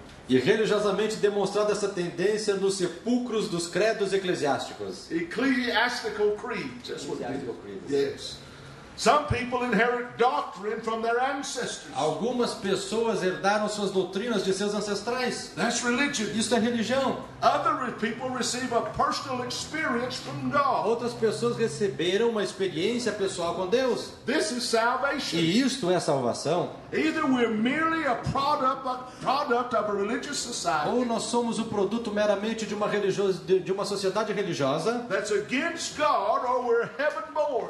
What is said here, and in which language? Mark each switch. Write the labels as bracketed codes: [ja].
[pt] E religiosamente demonstrado essa tendência nos sepulcros dos credos eclesiásticos. [en] Ecclesiastical creeds. Ecclesiastical creeds. Yes. Some people inherit doctrine from their ancestors. [pt] Algumas pessoas herdaram suas doutrinas de seus ancestrais. [en] That's religion. [pt] Isso é religião. [en] Other people receive a personal experience from God. [pt] Outras pessoas receberam uma experiência pessoal com Deus. [en] This is salvation. [pt] E isto é salvação. [en] Either we're merely a product of a religious society. [pt] Ou nós somos o produto meramente de uma sociedade religiosa. [en] That's against God, or we're heaven born.